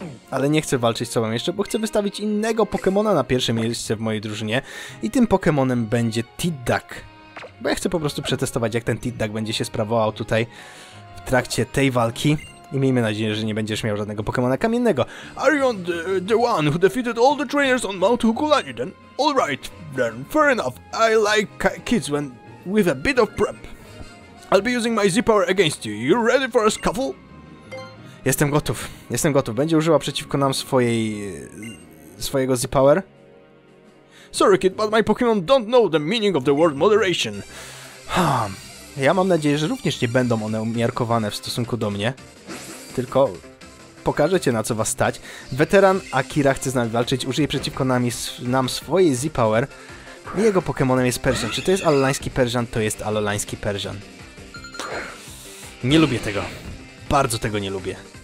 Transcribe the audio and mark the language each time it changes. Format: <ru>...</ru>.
<pl>Ale nie chcę walczyć z sobą jeszcze, bo chcę wystawić innego Pokemona na pierwsze miejsce w mojej drużynie. I tym Pokemonem będzie Tidduck. Bo ja chcę po prostu przetestować, jak ten Tidduck będzie się sprawował tutaj w trakcie tej walki. I miejmy nadzieję, że nie będziesz miał żadnego Pokemona kamiennego.</pl> <en>Are you the one who defeated all the trainers on Mount Hukulani then? All right, then, fair enough. I like kids when with a bit of prep. I'll be using my Z-Power against you. You ready for a scuffle?</en> <pl>Jestem gotów. Jestem gotów. Będzie używał przeciwko nam swojej... swojego Z-Power.</pl> <en>Sorry, kid, but my Pokémon don't know the meaning of the word moderation.</en> <pl>Ja mam nadzieję, że również nie będą one umiarkowane w stosunku do mnie. Tylko pokażę cię, na co was stać. Weteran Akira chce z nami walczyć. Użyje przeciwko nam swojej Z-Power. Jego Pokémonem jest Persian. Czy to jest alolański Persian? To jest alolański Persian. Nie lubię tego. Bardzo tego nie lubię.</pl>